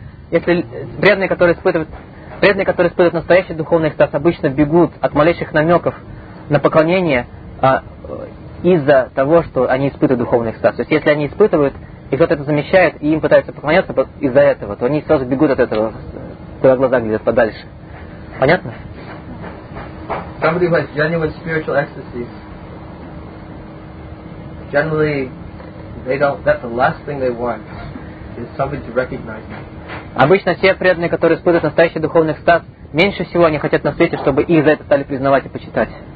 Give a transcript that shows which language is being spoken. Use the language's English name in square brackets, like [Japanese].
[Russian] если преданные, которые испытывают настоящий духовный экстаз, обычно бегут от малейших намеков на поклонение из-за того, что они испытывают духовный экстаз. То есть, если они испытывают, и кто-то это замечает, и им пытаются поклоняться из-за этого, то они сразу бегут от этого, куда глаза глядят, подальше. Понятно? [English] Somebody who has genuine spiritual ecstasies, generally, they don't, that's the last thing they want, is somebody to recognize them. [Russian] Обычно все преданные, которые испытывают настоящий духовный экстаз, меньше всего они хотят на свете, чтобы их за это стали признавать и почитать.